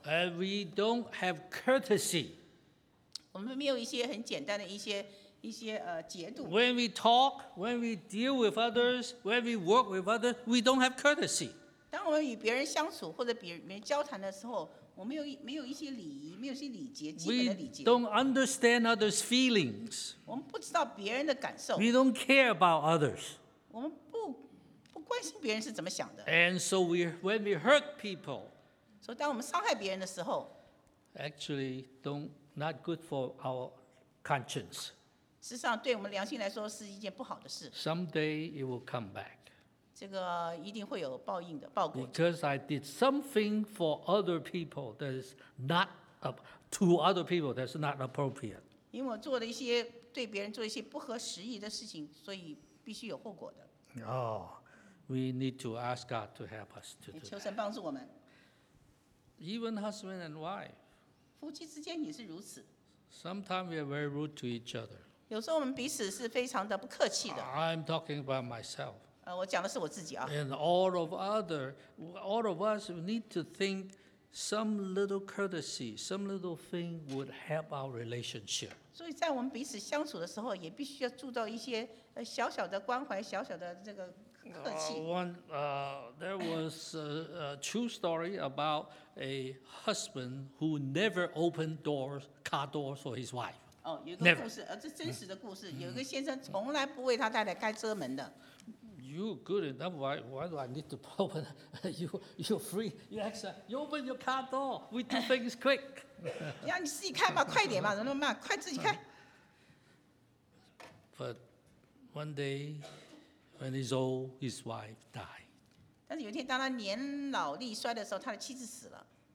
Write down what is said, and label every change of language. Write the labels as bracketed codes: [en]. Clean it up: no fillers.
[en] And we don't have courtesy. [zh] 我们没有一些很简单的一些节度。 [en] When we talk, when we deal with others, when we work with others, we don't have courtesy. [zh] 当我们与别人相处或者别人交谈的时候，我们没有一些礼仪，没有一些礼节，基本的礼节。 [en] We don't understand others' feelings. [zh] 我们不知道别人的感受。 [en] We don't care about others. [zh] 我们不关心别人是怎么想的。 [en] And so when we hurt people, [zh] 所以当我们伤害别人的时候 [en] ，actually not good for our conscience. [zh] 事实上，对我们良心来说是一件不好的事。 [en] Someday it will come back. [zh] 这个一定会有报应的，报果。 [en] Because I did something for other people that is not to other people that's not appropriate. [zh] 因为我做了一些对别人做一些不合时宜的事情，所以必须有后果的。 [en] We need to ask God to help us to do that. [zh] 求神帮助我们。 [en] Even husband and wife. [zh] 夫妻之间也是如此。 [en] Sometimes we are very rude to each other. [zh] 有时候我们彼此是非常的不客气的。 [en] I'm talking about myself. [zh] 我讲的是我自己 [en] And all of us need to think some little courtesy, some little thing would help our relationship. [zh] 所以在我们彼此相处的时候，也必须要注重一些小小的关怀，小小的这个客气。 [en] There was a true story about a husband who never opened car doors for his wife. [zh] 有个故事，这真实的故事，有一个先生从来不为他太太开车门的。 [en] You good enough? Why do I need to open? You're free. You actually, you open your car door. We do things quick. [zh] 让你自己开嘛，快点嘛，怎么那么慢？快自己开。 [en] But one day, when he's old, his wife died. [zh] 但是有一天，当他年老力衰的时候，他的妻子死了。